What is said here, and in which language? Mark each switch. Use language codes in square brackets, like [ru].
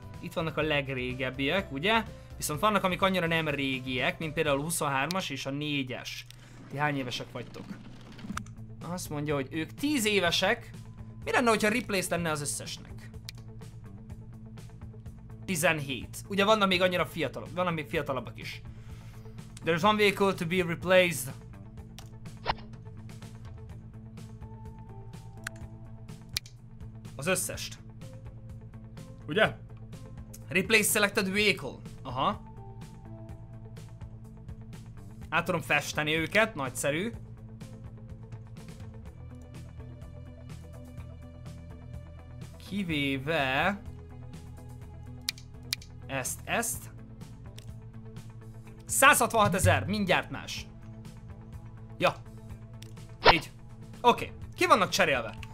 [hu] Itt vannak a legrégebbiek, ugye? Viszont vannak, amik annyira nem régiek, mint például a 23-as és a 4-es. Ti hány évesek vagytok? Azt mondja, hogy ők 10 évesek. Mi lenne, hogyha replace lenne az összesnek? 17. Ugye vannak még annyira fiatalok, vannak még fiatalabbak is. [en] There's one vehicle to be replaced. [hu] Az összest. Ugye? [en] Replace selected vehicle. [hu] Aha. Át tudom festeni őket, nagyszerű. Kivéve... Ezt. 166 ezer, mindjárt más. Ja. Így. Oké. Ki vannak cserélve?